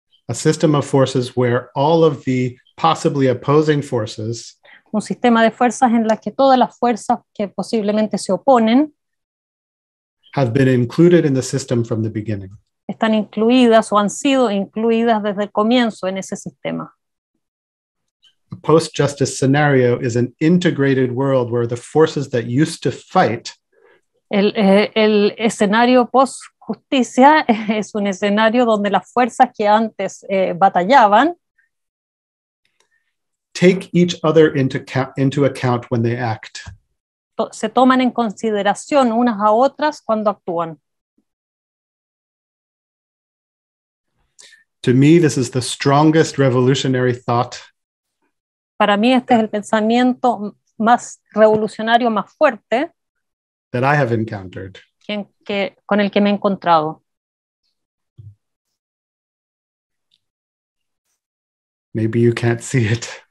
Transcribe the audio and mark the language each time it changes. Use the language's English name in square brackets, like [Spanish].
[English] A system of forces where all of the possibly opposing forces, [Spanish] un sistema de fuerzas en las que todas las fuerzas que posiblemente se oponen, [English] have been included in the system from the beginning. [Spanish] Están incluidas o han sido incluidas desde el comienzo en ese sistema. [English] A post-justice scenario is an integrated world where the forces that used to fight, [Spanish] el escenario post justicia es un escenario donde las fuerzas que antes batallaban [English] take each other into account when they act. [Spanish] Se toman en consideración unas a otras cuando actúan. [English] To me, this is the strongest revolutionary thought. [Spanish] Para mí, este es el pensamiento más revolucionario, más fuerte [English] that I have encountered. [Spanish] Con el que me he encontrado. [English] Maybe you can't see it.